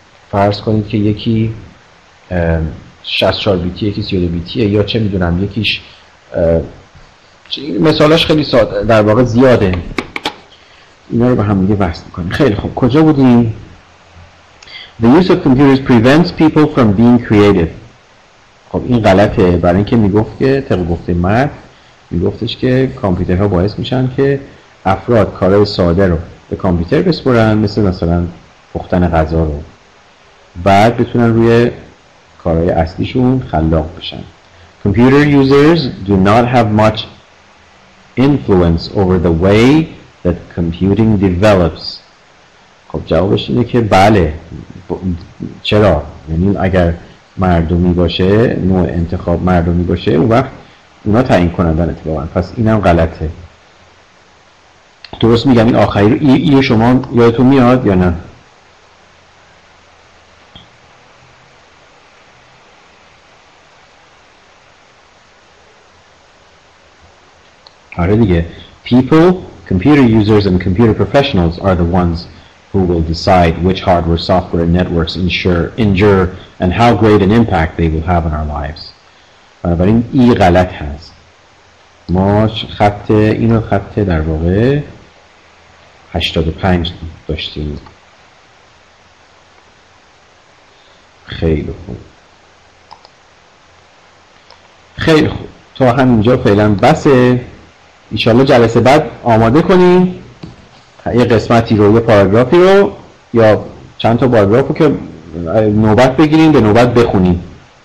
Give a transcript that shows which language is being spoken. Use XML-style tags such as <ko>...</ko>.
<fa>فرض کنید که یکی 64 بیتی یکی 32 بیتیه، یا چه میدونم یکیش، مثالاش خیلی ساده در واقع زیاده، اینا رو با هم دیگه وصل می‌کنیم. خیلی خوب، کجا بودیم؟</fa> <en>The use of computers prevents people from being creative.</en> <fa>خب این غلطه، برای اینکه میگفت که طبق گفته مرد میگفتش که کامپیوترها باعث میشن که افراد کارهای ساده رو به کامپیوتر بسپرن، مثل مثلا پختن غذا رو، بعد بتونن روی کارهای اصلیشون خلاق بشن.</fa> <en>Computer users do not have much influence over the way that computing develops.</en> <fa>خب جوابش اینه که بله. چرا؟ یعنی اگر مردمی باشه، نوع انتخاب مردمی باشه، اون وقت اونا تعیین کنندن اتفاقا. پس اینم غلطه. درست میگم این آخری رو ای شما یادتون میاد یا نه؟ آره دیگه.</fa> <en>People, computer users and computer professionals are the ones who will decide which hardware, software and networks endure and how great an impact they will have on our lives.</en> <fa>بنابراین ای غلط هست. ما خط اینو خط در واقع 85 داشتیم. خیلی خوب. خیلی خوب. تا همینجا فعلا بسه. ایشالله جلسه بعد آماده کنیم یه قسمتی رو، یه پاراگرافی رو یا چند تا پاراگرافو که نوبت بگیریم به نوبت بخونیم.</fa>